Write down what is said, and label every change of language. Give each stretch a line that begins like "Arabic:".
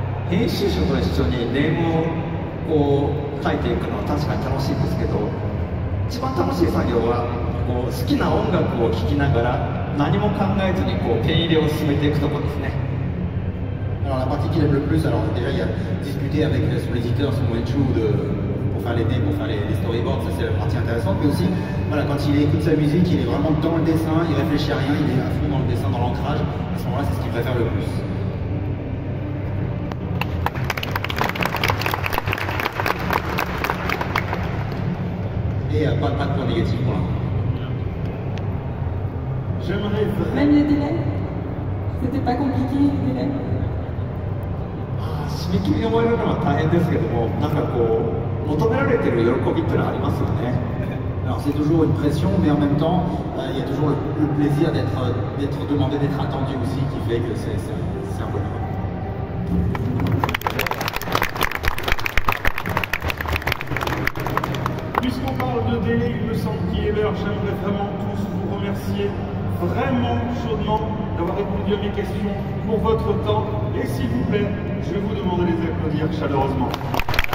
Japanese: 編集者と一緒にネームを書いていくのは確かに楽しいですけど、一番楽しい作業は好きな音楽を聴きながら何も考えずにペン入れを進めていくところですね。
French: Alors la partie qu'il aime le plus, alors déjà il y a discuter avec son éditeur, son Wenchu, pour faire les dés, pour faire les storyboards, ça c'est la partie intéressante. Mais aussi, voilà, quand il écoute sa musique, il est vraiment dans le dessin, il réfléchit à rien, il est à fond dans le dessin, dans l'ancrage. À ce moment-là, c'est ce qu'il préfère le plus. Et pas de point négatif pour l'instant. Même les délais, c'était pas compliqué les délais.
Japanese: 締め切りを覚えるのは大変ですけども、なんか求められている喜びっていうのはありますよね。
French: Alors c'est toujours une pression, mais en même temps, il y a toujours le plaisir d'être demandé, d'être attendu aussi, qui fait que c'est un bonheur. Puisqu'on parle de délai, il me semble qu'il est l'heure, j'aimerais vraiment tous vous remercier vraiment chaudement d'avoir répondu à mes questions pour votre temps. Et s'il vous plaît, je vais vous demander de les applaudir chaleureusement.